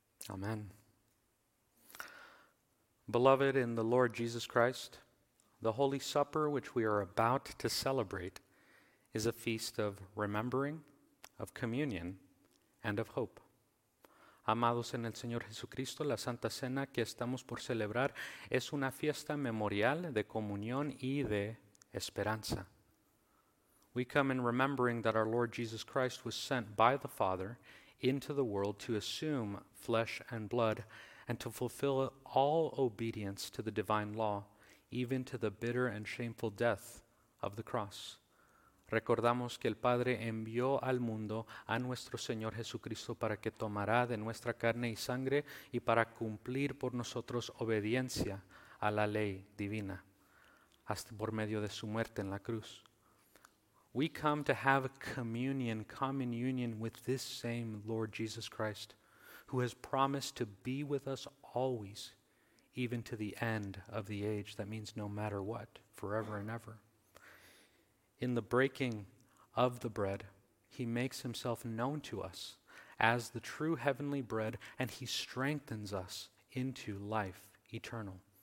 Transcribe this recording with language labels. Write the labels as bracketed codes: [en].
[en] Amen. Beloved in the Lord Jesus Christ, the Holy Supper which we are about to celebrate is a feast of remembering, of communion, and of hope. [es] Amados en el Señor Jesucristo, la Santa Cena que estamos por celebrar es una fiesta memorial de comunión y de esperanza. [en] We come in remembering that our Lord Jesus Christ was sent by the Father into the world to assume flesh and blood, and to fulfill all obedience to the divine law, even to the bitter and shameful death of the cross. [es] Recordamos que el Padre envió al mundo a nuestro Señor Jesucristo para que tomara de nuestra carne y sangre y para cumplir por nosotros obediencia a la ley divina, hasta por medio de su muerte en la cruz. [en] We come to have communion, common union with this same Lord Jesus Christ, who has promised to be with us always, even to the end of the age. That means no matter what, forever and ever. In the breaking of the bread, he makes himself known to us as the true heavenly bread, and he strengthens us into life eternal.